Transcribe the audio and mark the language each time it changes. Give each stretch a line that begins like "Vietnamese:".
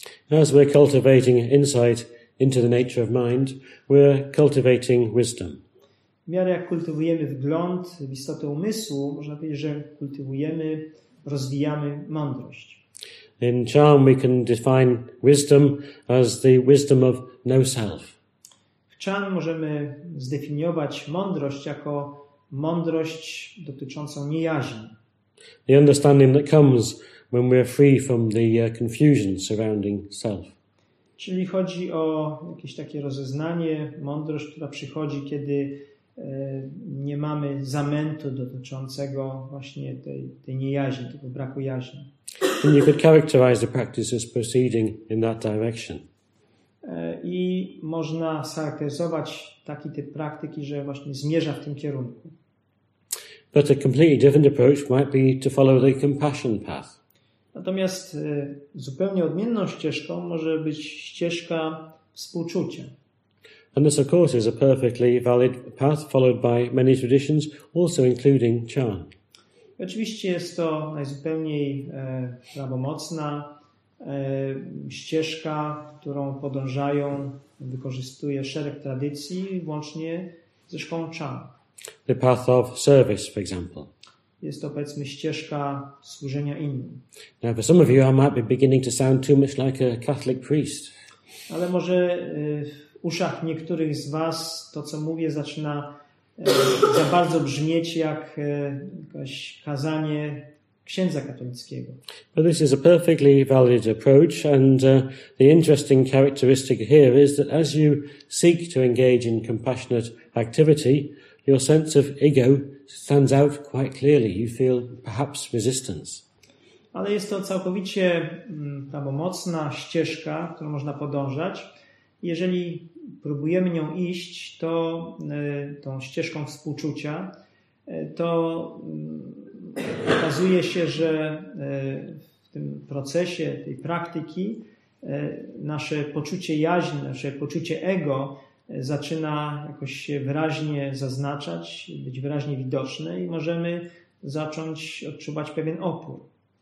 English: As we're cultivating insight into the nature of mind, we're cultivating wisdom.
Polish: W miarę jak kultywujemy wgląd w istotę umysłu, można powiedzieć, że kultywujemy, rozwijamy mądrość.
English: In Chan we can define wisdom as the wisdom of no self.
Polish: W Chan możemy zdefiniować mądrość jako mądrość dotyczącą niejaźni.
English: The understanding that comes when we are free from the confusion surrounding self.
Polish: Czyli chodzi o jakieś takie rozeznanie, mądrość, która przychodzi, kiedy nie mamy zamętu dotyczącego właśnie tej niejaźni, tego braku jaźni.
English: And you could characterize the practice as proceeding in that direction.
Polish: I można scharakteryzować taki typ praktyki, że właśnie zmierza w tym kierunku.
English: But a completely different approach might be to follow the compassion path.
Polish: Natomiast zupełnie odmienną ścieżką może być ścieżka współczucia.
English: And this, of course, is a perfectly valid path followed by many traditions, also including Chan.
Polish: Oczywiście jest to najzupełniej prawomocna ścieżka, którą podążają, wykorzystuje szereg tradycji, włącznie ze szkołą Chan.
English: The path of service, for example.
Polish: Jest to, powiedzmy, ścieżka służenia innym.
English: Now, for some of you, I might be beginning to sound too much like a Catholic priest.
Polish: Ale może w uszach niektórych z was to, co mówię, zaczyna za bardzo brzmieć jak jakieś kazanie księdza katolickiego.
English: But this is a perfectly valid approach, and the interesting characteristic here is that as you seek to engage in compassionate activity, your sense of ego stands out quite clearly. You feel perhaps resistance.
Polish: Ale jest to całkowicie prawomocna ścieżka, którą można podążać. Jeżeli próbujemy nią iść, to tą ścieżką współczucia, to okazuje się, że w tym procesie, tej praktyki, nasze poczucie jaźni, nasze poczucie ego zaczyna jakoś się wyraźnie zaznaczać, być wyraźnie widoczne i możemy zacząć odczuwać pewien opór.